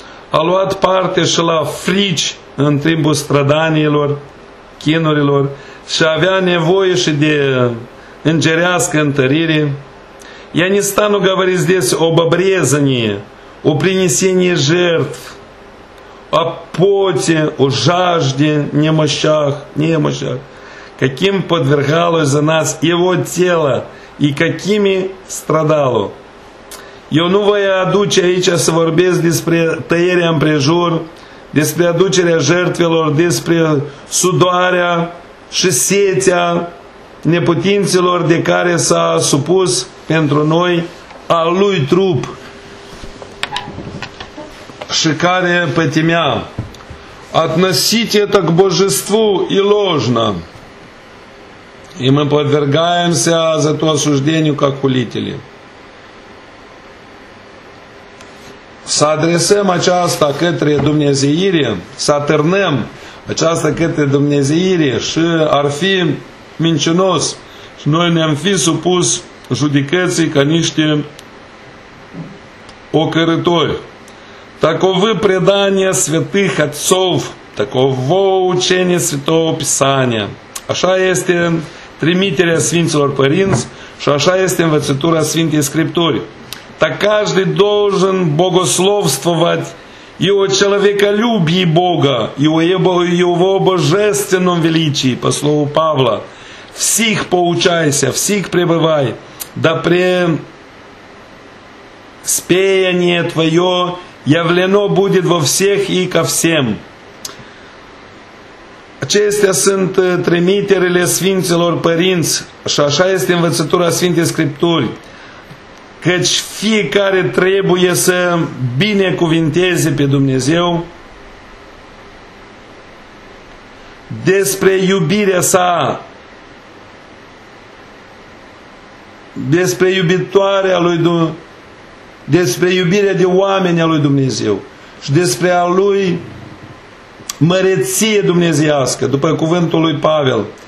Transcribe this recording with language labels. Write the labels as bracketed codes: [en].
[ro] A luat parte și la frici în timpul strădanilor, chinurilor și avea nevoie și de îngerească întărire. [ru] Я не стану говорить здесь об обрезании, о принесении жертв, о поте, о жажде, немощах, каким подвергалось за нас его тело и какими страдало. [ro] Eu nu voi aduce aici să vorbesc despre tăierea împrejur, despre aducerea jertfelor, despre sudoarea și setea neputinților de care s-a supus pentru noi al lui trup și care pătimea. [ru] Относите это к божеству и ложно. И мы подвергаемся за то осуждению, как хулители. [ro] Să adresăm aceasta către Dumnezeire, să atârnăm aceasta către Dumnezeire și ar fi mincinos și noi ne-am fi supus judecății ca niște ocărători. [ru] Таковы предания святых отцов, таково учение Святого Писания. [ro] Așa este trimiterea Sfinților Părinți și așa este învățătura Sfintei Scripturi. [ru] Так каждый должен богословствовать и о человеколюбии Бога, и о его божественном величии, по слову Павла. Всех поучайся, всех пребывай, да преспеяние твое явлено будет во всех и ко всем. [ro] Acestea sunt trimiterile Sfinților Părinți, și așa este învățătura Sfintei Scripturi. Căci fiecare trebuie să binecuvinteze pe Dumnezeu despre iubirea sa, despre iubitoarea lui Dumnezeu, despre iubirea de oameni a lui Dumnezeu și despre a lui măreție dumnezeiască, după cuvântul lui Pavel.